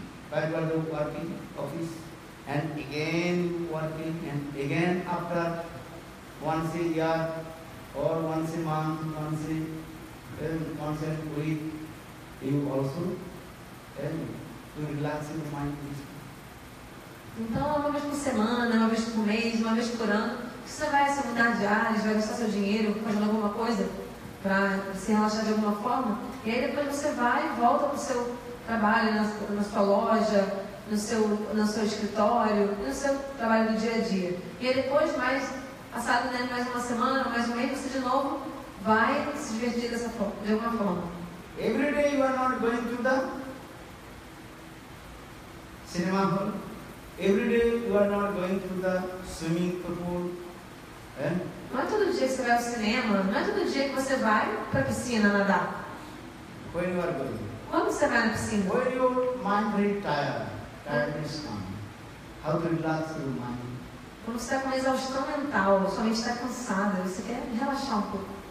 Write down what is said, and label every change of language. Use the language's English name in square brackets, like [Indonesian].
[English] working office, and again working, and again after once a year or once a month, once a week, you also to relax your mind. [Portuguese] Então, uma vez por semana, uma vez por mês, uma vez por ano, você vai se mudar de áreas, vai gastar seu dinheiro fazendo alguma coisa para se relaxar de alguma forma, e aí depois você vai e volta para o seu trabalha na sua loja, no seu escritório, no seu trabalho do dia a dia. E aí depois, mais passado, né, mais uma semana, mais um mês, você de novo vai se divertir dessa forma, de alguma forma. [English] Every day you are not going to the cinema hall. Every day you are not going to the swimming pool. [Portuguese] Não é todo dia que você vai ao cinema, não é todo dia que você vai para a piscina nadar. [English] When you are going? [Portuguese] Quando você vai na piscina? [English] When your mind gets tired, tiredness comes. How to relax your mind? [Portuguese] Quando você está com uma exaustão mental, sua mente está cansada, você quer relaxar um pouco.